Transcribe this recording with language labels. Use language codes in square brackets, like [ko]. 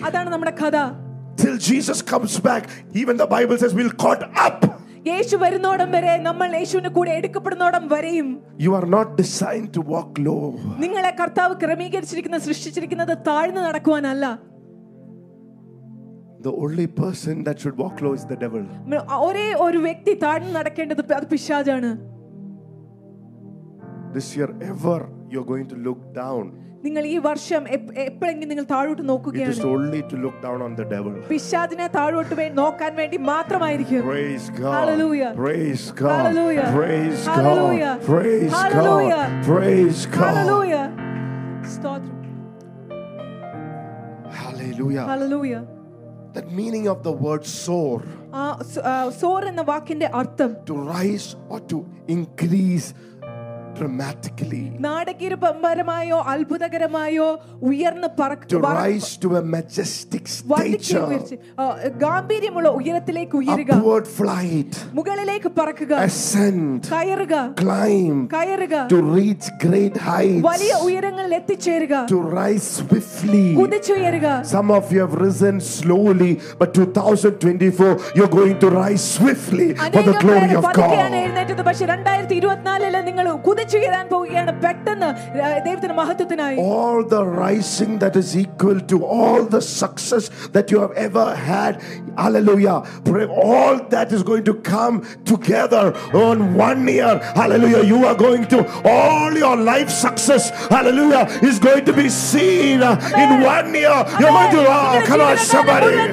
[ml] അതാണ് നമ്മുടെ കഥ. [en] Till Jesus comes back, even the Bible says we'll caught up. [ml] യേശു വരുന്നോടം വരെ നമ്മൾ യേശുവിന്റെ കൂടെ എടുക്കപ്പെടുന്നോടം വരെയും [en] you are not designed to walk ലോ [ml] നിങ്ങളെ കർത്താവ് ക്രമീകരിച്ചിരിക്കുന്ന സൃഷ്ടിച്ചിരിക്കുന്നത് താഴ്ന്നു നടക്കുവാനല്ല [en] The only person that should walk low is the devil [ml] ഒരേ ഒരു വ്യക്തി താഴ്ന്നു നടക്കേണ്ടത് അത് പിശാചാണ് [en] This year ever you are going to look down [ml] നിങ്ങൾ ഈ വർഷം എപ്പോഴെങ്കിലും നിങ്ങൾ താഴോട്ട് നോക്കുകയാണ് [en] It is only to look down on the devil. [ml] പിശാചിനെ താഴോട്ട് വേ നോക്കാൻ വേണ്ടി മാത്രമായിരിക്കും. [en] Praise God. Hallelujah. Praise God. Hallelujah. Praise God. Hallelujah. Praise God. Hallelujah. Praise God. Hallelujah. [ml] Stotram. [en] Hallelujah. Hallelujah. The meaning of the word soar. [ml] Soar എന്ന വാക്കിന്റെ അർത്ഥം [en] to rise or to increase dramatically [ml] നാടകീരപമ്പരമായോ അത്ഭുതകരമായോ ഉയർന്നു പറക്കുക [en] to rise to a majestic stature [ml] ഗാംഭീര്യമുള്ള ഉയരത്തിലേക്ക് ഉയരുക [en] upward flight [ml] മുകളിലേക്ക് പറക്കുക [en] ascend [ml] കയറുക [en] climb [ml] കയറുക [en] to reach great heights [ml] വലിയ ഉയരങ്ങളിൽ എത്തിച്ചേരുക [en] to rise swiftly [ml] കുതിച്ചുയരുക [en] some of you have risen slowly but 2024 you're going to rise swiftly for the glory of God [ml] പക്ഷേ 2024ൽ നിങ്ങൾ കുതിച്ചുയരാൻ പോവുകയാണ് പെട്ടെന്ന് ദൈവത്തിന്റെ മഹത്വത്തിനായി [en] all the rising that is equal to all the success that you have ever had hallelujah all that is going to come together on one year hallelujah you are going to all your life success hallelujah is going to be seen in one year you are going to come on somebody